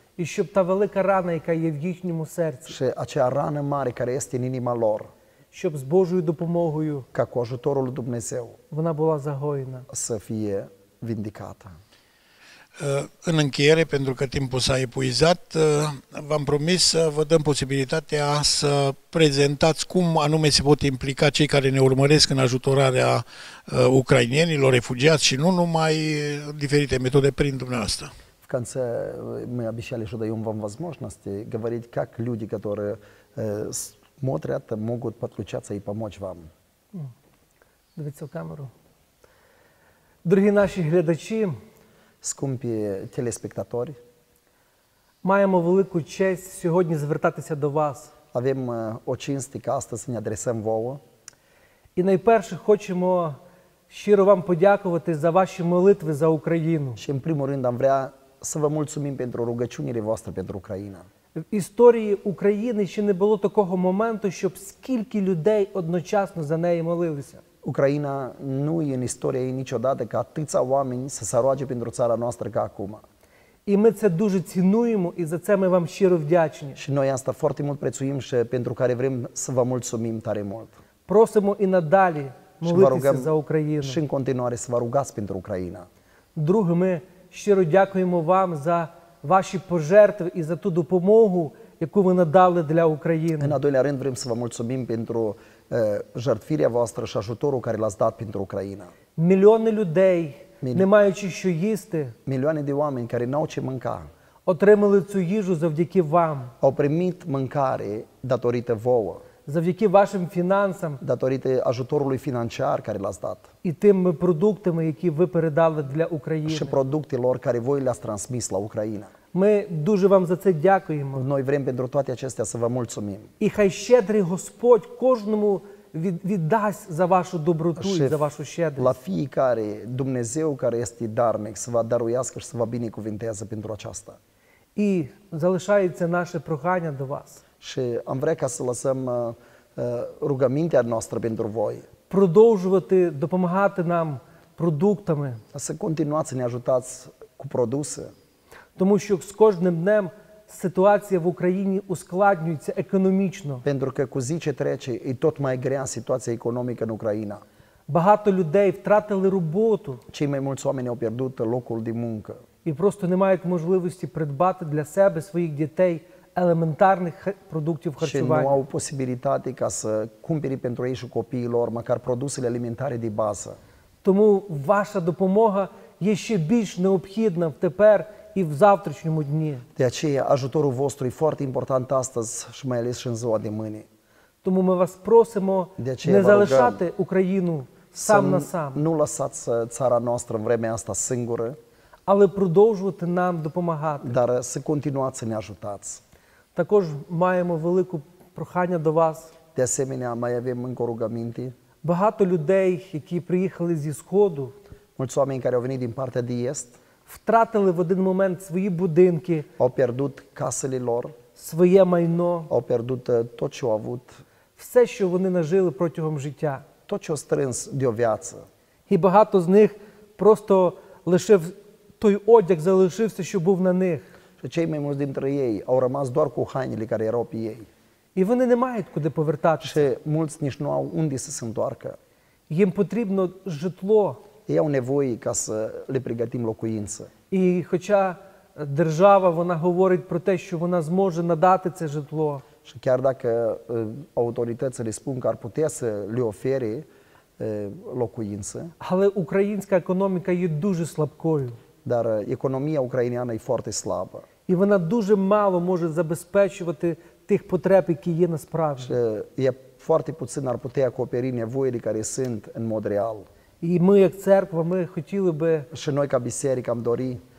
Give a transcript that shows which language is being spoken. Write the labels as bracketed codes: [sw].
[uk] І щоб та велика рана, яка є в їхньому серці, [ro] și acea rană mare care este în inima lor, [uk] щоб з Божою допомогою, [ro] ca cu ajutorul lui Dumnezeu, [uk] вона була загоєна, [ro] să fie vindicată. În încheiere, pentru că timpul s-a epuizat, v-am promis să vă dăm posibilitatea să prezentați cum anume se pot implica cei care ne urmăresc în ajutorarea ucrainienilor, refugiați și nu numai, diferite metode prin dumneavoastră. [ru] В конце мы обещали, что даем вам возможности говорить, как люди, которые смотрят, могут подключаться и помочь вам. [uk] Дивіться в камеру. Дорогі наші глядачі, [ro] скумпі телеспектаторі, [uk] маємо велику честь сьогодні звертатися до вас. [ro] Avem o cinste ca astăzi să ne adresăm vouă. [uk] І найперше хочемо щиро вам подякувати за ваші молитви за Україну. [ro] Și în primul rând am vrea să vă mulțumim pentru rugăciunile voastre pentru Ucraina. [uk] В історії України ще не було такого моменту, щоб скільки людей одночасно за неї молилися. [ro] Ucraina nu e în istorie niciodată ca atâția oameni să se roage pentru țara noastră ca acum. [uk] І ми це дуже цінуємо і за це ми вам щиро вдячні. [ro] Și noi asta foarte mult prețuim și pentru care vrem să vă mulțumim tare mult. [uk] Просимо і надалі молитися за Україну. [ro] Și în continuare să vă rugați pentru Ucraina. [uk] Друге, ми щиро дякуємо вам за ваші пожертви і за ту допомогу, яку ви надали для України. [ro] În al doilea rând vrem să vă mulțumim pentru жертвірія voastră și ajutorul care l-ați dat pentru Ucraina. [uk] Мільйони людей, не маючи що їсти, [ro] мільйони de oameni care n-au ce mânca, [uk] отримали цю їжу завдяки вам. [ro] Au primit mâncare datorită vouă. [uk] Завдяки вашим фінансам, [ro] datorită ajutorului financiar care l-ați dat. [uk] І тими продуктами, які ви передали для України. [ro] Și продуктилор, care voi le-ați transmis la Ucraina. [uk] Ми дуже вам за це дякуємо. [ro] Noi vrem pentru toate acestea să vă mulțumim. [uk] І хай щедрий Господь кожному віддасть за вашу доброту și за вашу щедрість. [ro] La fiecare Dumnezeu care este darnic să vă даруiască și să vă binecuvinteze pentru aceasta. [uk] І залишається наше прохання до вас. [ro] Și am vrea ca să lăsăm rugămintea noastră pentru voi. [uk] Продовжувати допомагати нам продуктами. [ro] Să continuați să ne ajutați cu produse. [uk] Тому що з кожним днем ситуація в Україні ускладнюється економічно. [ro] Pentru că cu zi ce trece e tot mai grea situația economică în Ucraina. [uk] Багато людей втратили роботу. [ro] Cei mai mulți oameni au pierdut locul de muncă. [uk] І просто не мають можливості придбати для себе, своїх дітей елементарних продуктів харчування. [ro] Și nu au posibilitate ca să cumpere pentru ei și copiii lor măcar produsele alimentare de bază. [uk] Тому ваша допомога є ще більш необхідна тепер і в завтрашньому дні. [ro] De aceea, ajutorul vostru e foarte important astăzi și mai ales și în ziua de mâine. [uk] Тому ми вас просимо не залишати Україну сам на сам. [ro] Nu lăsați țara noastră în vremea asta singură. [uk] Але продовжувати нам допомагати. [ro] Dar să continuați să ne ajutați. [uk] Також маємо велику прохання до вас. [ro] De asemenea, mai avem încă rugăminte. [uk] Багато людей, які приїхали зі Сходу. [ro] Mulți oameni care au venit din partea de Est. [uk] Втратили в один момент свої будинки. [ro] Au pierdut casele lor. [uk] Своє майно. [ro] Au pierdut tot ce au avut. [uk] Все, що вони нажили протягом життя. [ro] Tot ce au strâns de o viață. [uk] І багато з них просто лишив той одяг, залишився, що був на них. [ro] Și cei mai mulți dintre ei au rămas doar cu hainele care erau pe ei. [uk] І вони не мають куди повертатися. [ro] Și mulți nici nu au unde să se întoarcă. [uk] Їм потрібно житло. [ro] Ei au nevoie ca să le pregătim locuință. [uk] І хоча держава, вона говорить про те, що вона зможе надати це житло. [ro] Și chiar dacă autoritățile spun că ar putea să le ofere locuință. [uk] Але українська економіка є дуже слабкою. [ro] Dar economia ucraineană e foarte slabă. [uk] І вона дуже мало може забезпечувати тих потреб, які є насправді. [ro] Și e foarte puțin ar putea acoperi nevoile care sunt în mod real. [uk] І ми як церква, ми хотіли би [ro] ще ной ка бісерікам дорі